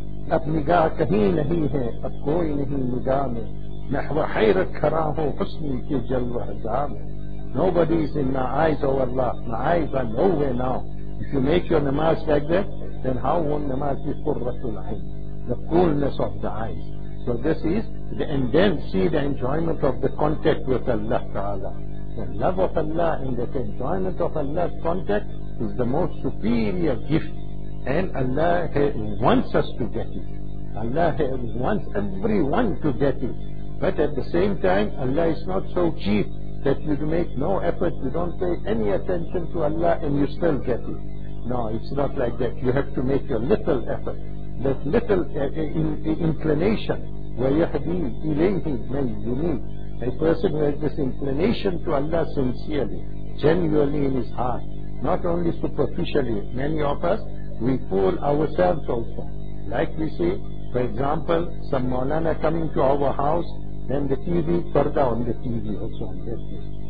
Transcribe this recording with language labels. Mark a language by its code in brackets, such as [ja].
[ur] اب نگاہ کہیں نہیں ہے اب کوئی نہیں نگاہ میں نحو حیرت کھرا ہوں حسنی کے جلوہ جام [en] Nobody is in the eyes of Allah. The eyes are nowhere now. If you make your namaz like that, then how won't namaz be qurratul ayn? The coolness of the eyes. So this is, and then see the enjoyment of the contact with Allah Ta'ala. The love of Allah and the enjoyment of Allah's contact is the most superior gift. And Allah wants us to get it. Allah wants everyone to get it. But at the same time, Allah is not so cheap that you make no effort, you don't pay any attention to Allah and you still get it. No, it's not like that. You have to make a little effort. That little inclination, [ar] وَيَحْدِي إِلَيْهِ مَنْ يُنِيبُ. [en] A person who has this inclination to Allah sincerely, genuinely in his heart, not only superficially. Many of us, we fool ourselves also. Like we see, for example, some maulana coming to our house, then the TV, parda on the TV also on that day.